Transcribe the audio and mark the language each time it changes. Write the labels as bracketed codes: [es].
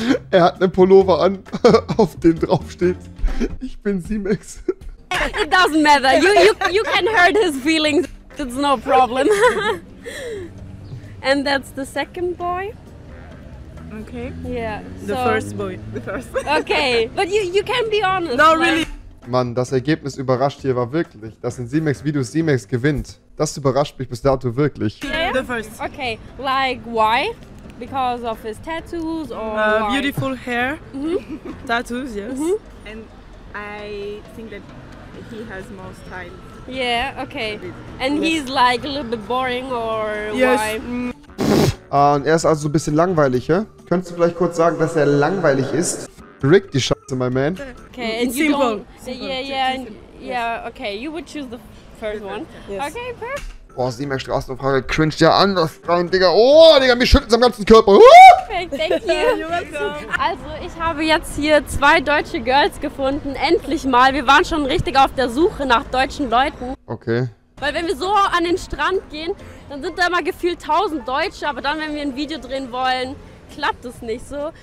[de] Er hat einen Pullover an, auf dem draufsteht, ich bin Simax. [en] It doesn't matter, you can hurt his feelings, it's no problem. And that's the second boy. Okay. Yeah. The first boy. Okay, but you can be honest. No, like. Really. [de] Mann, das Ergebnis überrascht hier war wirklich, dass in Simax Videos Simax gewinnt. Das überrascht mich bis dato wirklich. [en] Yeah. The first. Okay, like why? Because of his tattoos or why? Beautiful hair. Mm-hmm. Tattoos, yes. Mm-hmm. And I think that he has more style. Yeah, okay. And he's like a little bit boring or yes. Why? [de] Und er ist also ein bisschen langweilig, hä? Könntest du vielleicht kurz sagen, dass er langweilig ist? Rick, die Scheiße, [en] my man. Okay, and you simple. Don't... Yeah, okay, you would choose the first one. Yes. Okay, perfect. [de] Boah, Simax Straßenfrage cringed ja an, das kleine Digga. Oh, Digga, mir schüttelt es am ganzen Körper. [en] Perfect, thank you. You're welcome. [de] Also, ich habe jetzt hier zwei deutsche Girls gefunden, endlich mal. Wir waren schon richtig auf der Suche nach deutschen Leuten. Okay. Weil wenn wir so an den Strand gehen, dann sind da mal gefühlt 1000 Deutsche, aber dann, wenn wir ein Video drehen wollen, klappt es nicht so.